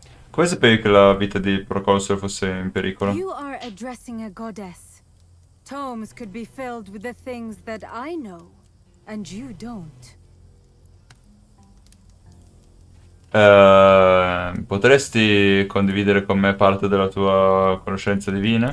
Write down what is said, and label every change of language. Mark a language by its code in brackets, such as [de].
[it] Come sapevi che la vita di Proconsul fosse in pericolo? [en] You are addressing a goddess. Tomes could be filled with the things that I know, and you don't. [it] Potresti condividere con me parte della tua conoscenza divina?